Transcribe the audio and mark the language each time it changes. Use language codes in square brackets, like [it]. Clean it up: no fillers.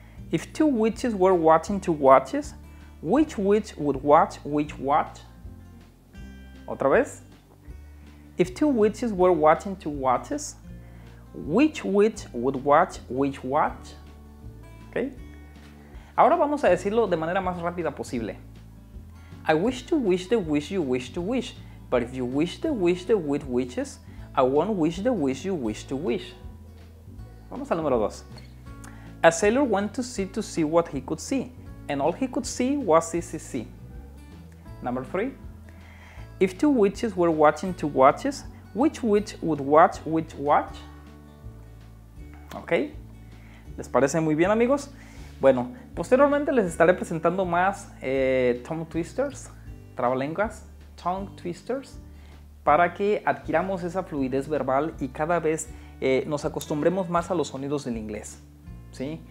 [en] If two witches were watching two watches, which witch would watch which watch? [es] Otra vez. [en] If two witches were watching two watches, which witch would watch which watch? Okay. [es] Ahora vamos a decirlo de manera más rápida posible. [en] I wish to wish the wish you wish to wish, but if you wish the wish the wit wishes, I won't wish the wish you wish to wish. [es] Vamos al número dos. [en] A sailor went to see what he could see, and all he could see was see. Number three. If two witches were watching two watches, which witch would watch which watch? [es] Okay. ¿Les parece muy bien, amigos? Bueno, posteriormente les estaré presentando más tongue twisters, para que adquiramos esa fluidez verbal y cada vez nos acostumbremos más a los sonidos del inglés, ¿sí?